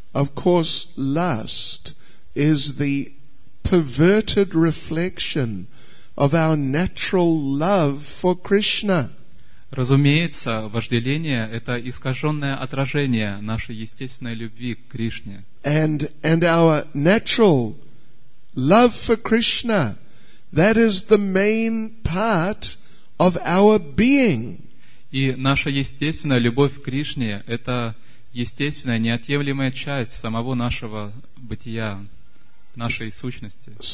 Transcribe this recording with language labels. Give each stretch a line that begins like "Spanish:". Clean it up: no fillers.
English: Of course, lust is the perverted reflection of our natural love for Krishna.
Russian: Разумеется, вожделение — это искаженное отражение нашей естественной любви к Кришне.
English: And our natural love for Krishna, that is the main part of our being.
Russian: И наша естественная любовь к Кришне — это естественная, неотъемлемая часть самого нашего бытия, нашей сущности.